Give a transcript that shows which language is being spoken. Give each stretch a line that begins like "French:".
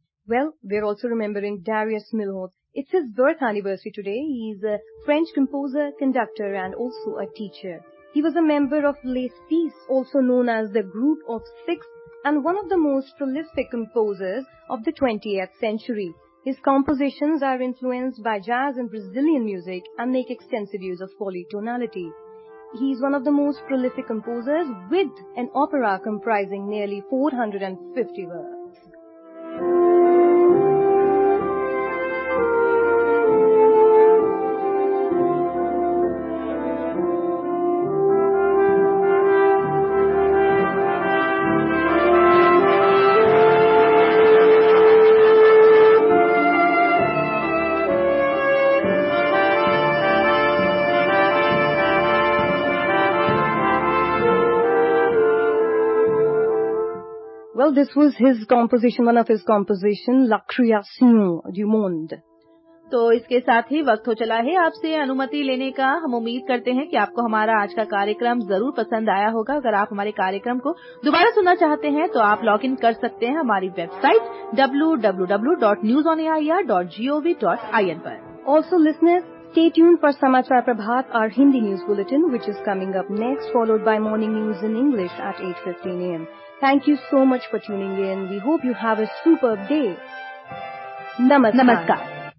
English: Well we are also remembering Darius मिलहोत. It's his birth anniversary today. He is a French composer, conductor and also a teacher. He was a member of less piece, also known as the group of six, and one of the most prolific composers of the 20th century. His compositions are influenced by jazz and Brazilian music and make extensive use of polytonality. He is one of the most prolific composers with an opera comprising nearly 450 works. This was his composition, one of his composition, La Création du Monde.
Hindi: तो इसके साथ ही वक्त हो चला है आपसे अनुमति लेने का. हम उम्मीद करते हैं कि आपको हमारा आज का कार्यक्रम जरूर पसंद आया होगा. अगर आप हमारे कार्यक्रम को दोबारा सुनना चाहते हैं तो आप लॉग इन कर सकते हैं हमारी वेबसाइट www.newsonair.gov.in पर.
English: Also listeners, Stay tuned for Samachar Prabhat, our Hindi news bulletin, which is coming up next, followed by morning news in English at 8:15 a.m. Thank you so much for tuning in. We hope you have a superb day. Namaskar. Namaskar.